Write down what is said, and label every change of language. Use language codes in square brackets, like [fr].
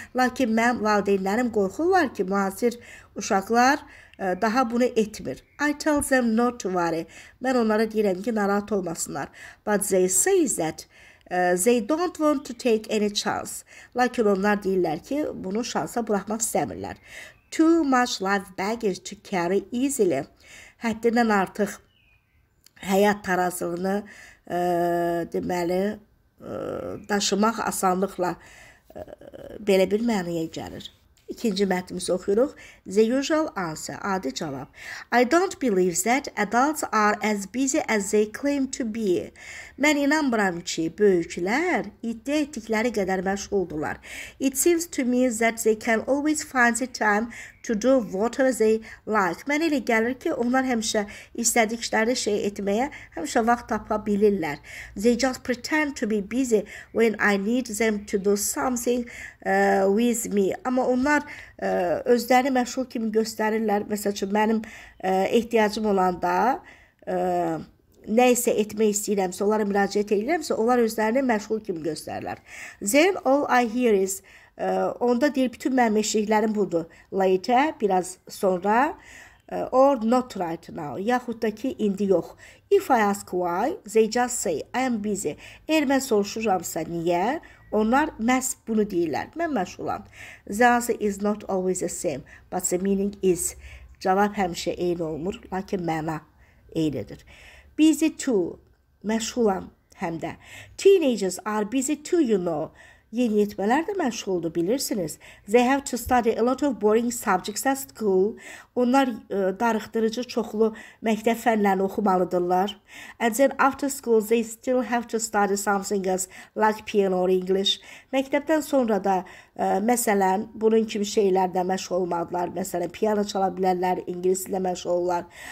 [az] Lakin mən valideynlərim qorxurlar ki, müasir uşaqlar daha bunu etmir. [en] I tell them not to worry. [az] Mən onlara deyirəm ki, narahat olmasınlar. [en] But they say that they don't want to take any chance. [az] Lakin onlar deyirlər ki, bunu şansa buraxmaq istəmirlər. [en] Too much life baggage to carry easily. [az] Həddindən artıq həyat tarazlığını daşımaq asanlıqla belə bir mənaya gəlir. İkinci mətnimizi oxuyuruq. [en] The usual answer, [az] adi cavab. [en] I don't believe that adults are as busy as they claim to be. [az] Mən inanmıram ki, böyüklər iddia etdikləri qədər məşğuldurlar. [en] It seems to me that they can always find the time to do whatever they like. [az] Mən elə gəlir ki, onlar həmişə istədikləri şey etməyə həmişə vaxt tapa bilirlər. [en] They just pretend to be busy when I need them to do something with me. [az] Amma onlar özlərini məşğul kimi göstərirlər. Məsəl üçün, mənim ehtiyacım olanda nə isə etmək istəyirəmsə, onlara müraciət edirəmsə, onlar özlərini məşğul kimi göstərirlər. [en] Then all I hear is, [az] onda deyir, bütün mənim eşliklərim budur. [en] Later, [az] biraz sonra, [en] or not right now, [az] yaxud da ki, indi yox. [en] If I ask why, they just say, I am busy. [az] Eğer mən soruşuramsa, niyə? Onlar məhz bunu deyirlər, mən məşğulam. [en] The answer is not always the same, but the meaning is. [az] Cavab həmişə eyni olmur, lakin məna eynidir. [en] Busy too, [az] məşğulam həm də. [en] Teenagers are busy too, you know. [az] Yeni yetmələr də məşğuldur, bilirsiniz. [en] They have to study a lot of boring subjects at school. [az] Onlar darıxdırıcı çoxlu məktəb fənlərini oxumalıdırlar. And then after school they still have to study something else, like piano or English. Məktəbdən sonra da, məsələn, bunun kimi şeylərdə məşğul olmadılar. Məsələn, piano çala bilərlər, ingilis ilə məşğul olurlar.